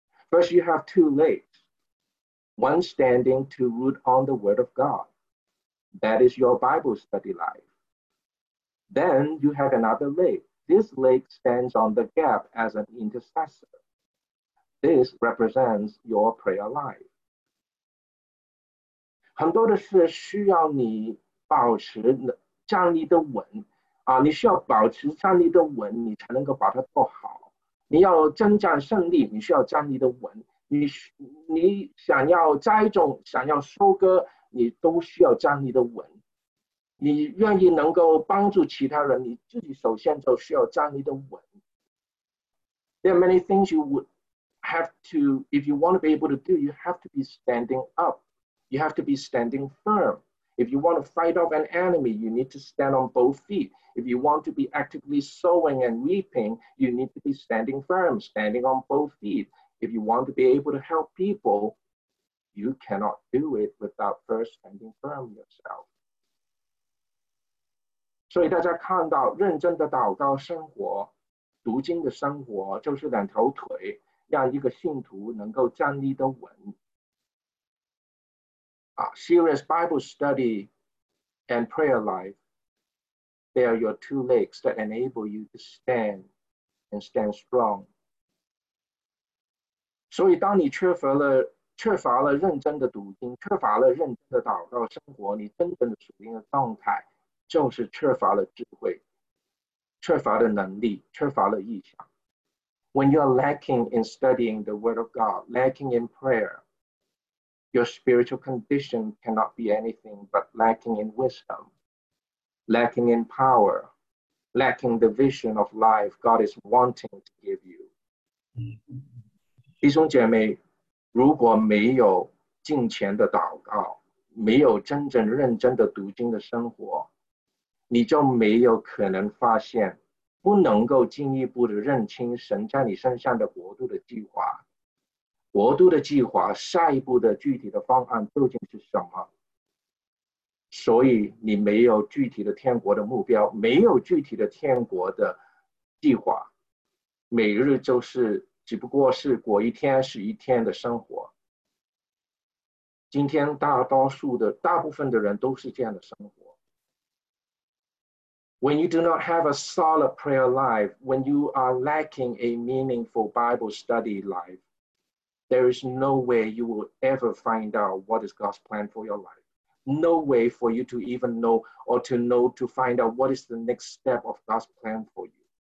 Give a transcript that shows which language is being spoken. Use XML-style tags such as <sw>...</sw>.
<en>First you have two legs, one standing to root on the word of God. That is your Bible study life. Then you have another leg. This leg stands on the gap as an intercessor. This represents your prayer life.</en> <zh>很多的事需要你保持站立的稳、你需要保持站立的稳，你才能够把它做好。你要征战胜利，你需要站立的稳。你想要栽种，想要收割，你都需要站立的稳。你愿意能够帮助其他人，你自己首先就需要站立的稳。</zh> <en>There are many things you would have to, if you want to be able to do, you have to be standing up. You have to be standing firm. If you want to fight off an enemy, you need to stand on both feet. If you want to be actively sowing and reaping, you need to be standing firm, standing on both feet. If you want to be able to help people,You cannot do it without first standing firm yourself.</en> <zh>所以大家看到认真的祷告生活，读经的生活，就是两条腿，让一个信徒能够站立得稳。</zh> <en>Serious Bible study and prayer life, they are your two legs that enable you to stand and stand strong.</en> <zh>所以当你缺乏了认真的读经，缺乏了认真的祷告生活，你真正的属灵的状态就是缺乏了智慧，缺乏了能力，缺乏了意向。</zh> <en>When you are lacking in studying the word of God, lacking in prayer, your spiritual condition cannot be anything but lacking in wisdom, lacking in power, lacking the vision of life God is wanting to give you.</en> <zh>弟兄姐妹，如果没有敬虔的祷告，没有真正认真的读经的生活，你就没有可能发现，不能够进一步的认清神在你身上的国度的计划。国度的计划，下一步的具体的方案究竟是什么？所以你没有具体的天国的目标，没有具体的天国的计划，每日就是只不过是过一天是一天的生活。今天大多数的大部分的人都是这样的生活。</zh> <en>When you do not have a solid prayer life, when you are lacking a meaningful Bible study life, there is no way you will ever find out what is God's plan for your life. No way for you to even know or to know to find out what is the next step of God's plan for you.</en>